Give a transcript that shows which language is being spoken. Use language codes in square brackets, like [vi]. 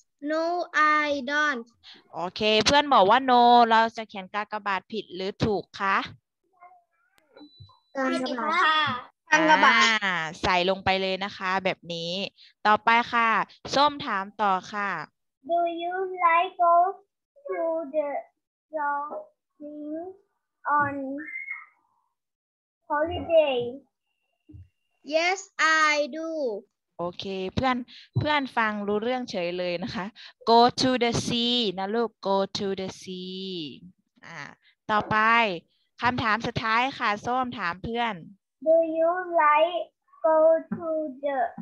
[en] no I don't [th] โอเคเพื่อนบอกว่า no เราจะเขียนกากบาทผิดหรือถูกคะ ผิดค่ะ ใส่ลงไปเลยนะคะแบบนี้ต่อไปค่ะส้มถามต่อค่ะ [en] Do you like go to the shopping on holiday? Yes, I do. [th] โอเคเพื่อนฟังรู้เรื่องเฉยเลยนะคะ [en] Go to the sea [th] นะลูก Go to the sea ต่อไปคำถามสุดท้ายค่ะส้มถามเพื่อน [en] Do you like go to the